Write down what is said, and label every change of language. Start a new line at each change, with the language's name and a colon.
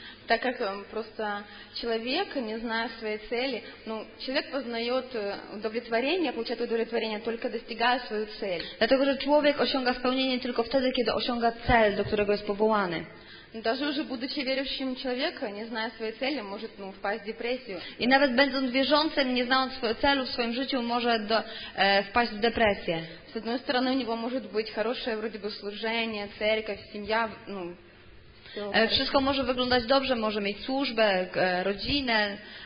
Russian: Так как просто человек, не зная своей цели, человек познает удовлетворение, получает удовлетворение только достигая свою цель.
Polish: Dlatego, że człowiek osiąga spełnienie tylko wtedy, kiedy osiąga cel, do którego jest powołany.
Russian: Даже уже будучи верующим человеком, не зная своей цели, может впасть в депрессию. И даже будучи верующим, не зная своей цели в своем жизни, может впасть в депрессию. С одной стороны, у него может быть хорошее вроде бы служение, церковь, семья, Все может выглядеть хорошо, может иметь службу, родину.